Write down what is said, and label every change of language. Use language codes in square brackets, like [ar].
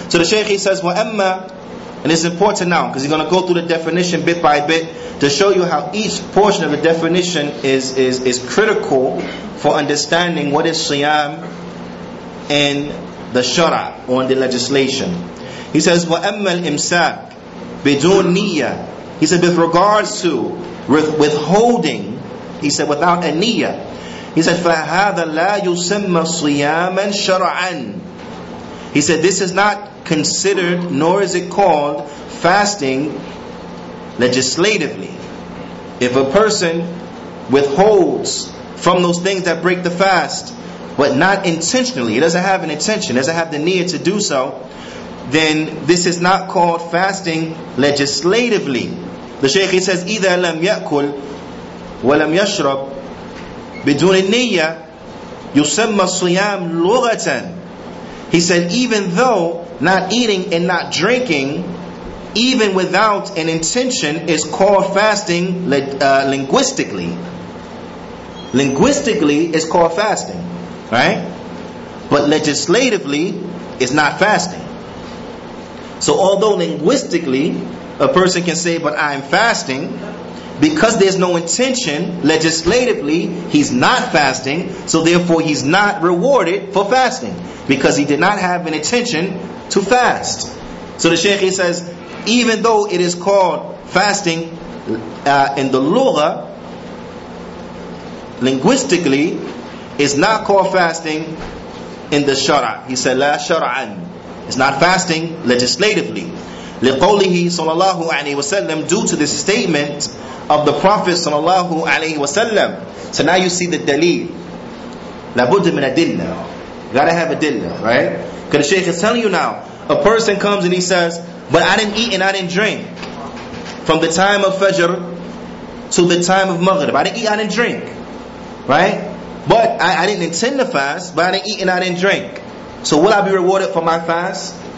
[en] So the Shaykh says, wa amma, and it's important now, because he's going to go through the definition bit by bit to show you how each portion of the definition is critical for understanding what is Siyam in the Shara, or in the legislation. He says, [ar] وَأَمَّا الْإِمْسَاكِ بِدُونْ نِيَّةِ. [en] He said, with regards to withholding, he said, without a niyyah. He said, [ar] فَهَذَا لَا يُسَمَّ صِيَامًا شَرَعًا. [en] He said, this is not considered, nor is it called, fasting legislatively. If a person withholds from those things that break the fast, but not intentionally, he doesn't have an intention, doesn't have the need to do so, then this is not called fasting legislatively. The Shaykh, he says, [ar] إِذَا لَمْ يَأْكُلْ وَلَمْ يَشْرَبْ بِدُونِ النِّيَّةِ يُسَمَّ الصِّيَامُ لُغَةً. [en] He said, even though not eating and not drinking, even without an intention, is called fasting linguistically. Linguistically, it's called fasting, right? But legislatively, it's not fasting. So although linguistically, a person can say, but I'm fasting, because there's no intention, legislatively, he's not fasting, so therefore he's not rewarded for fasting, because he did not have an intention to fast. So the Shaykh, he says, even though it is called fasting in the lugha, linguistically, it's not called fasting in the shara. He said, la shara'an. It's not fasting legislatively. [ar] لِقَوْلِهِ صَلَى اللَّهُ عَلَيْهِ وَسَلَّمْ, [en] due to this statement of the Prophet صلى الله عليه وسلم. So now you see the dalil. [ar] لَبُدِّ مِنَ دِلَّ. [en] Gotta have a dillah, right? Because the Shaykh is telling you now, a person comes and he says, but I didn't eat and I didn't drink from the time of Fajr to the time of Maghrib. I didn't eat, I didn't drink. Right? But I didn't intend to fast, but I didn't eat and I didn't drink. So will I be rewarded for my fast?